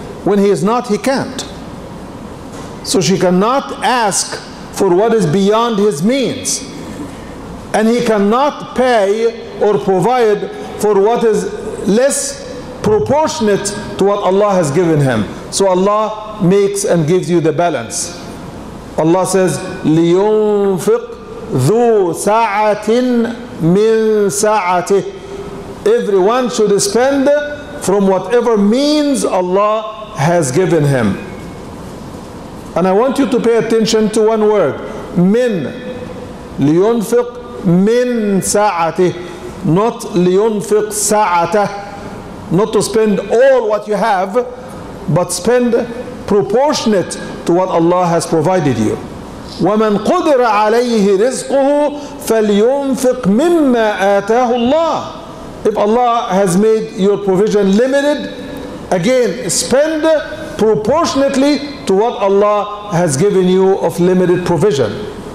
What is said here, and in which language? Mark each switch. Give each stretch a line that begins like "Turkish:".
English: When he is not, he can't. So she cannot ask for what is beyond his means. And he cannot pay or provide for what is less proportionate to what Allah has given him. So Allah makes and gives you the balance. Allah says,
Arabic: لِيُنْفِقْ ذُو سَعَةٍ مِنْ سَعَةِهِ.
English: Everyone should spend from whatever means Allah has given him. And I want you to pay attention to one word.
Arabic: مِنْ لِيُنْفِقْ مِنْ سَعَةِهِ.
English: Not
Arabic: لِيُنْفِقْ سَعَةَهِ.
English: Not to spend all what you have, but spend proportionate to what Allah has provided you.
Arabic: وَمَنْ قُدِرَ عَلَيْهِ رِزْقُهُ فَلْيُنْفِقْ مِمَّا آتَاهُ اللَّهِ.
English: If Allah has made your provision limited, again, spend proportionately to what Allah has given you of limited provision.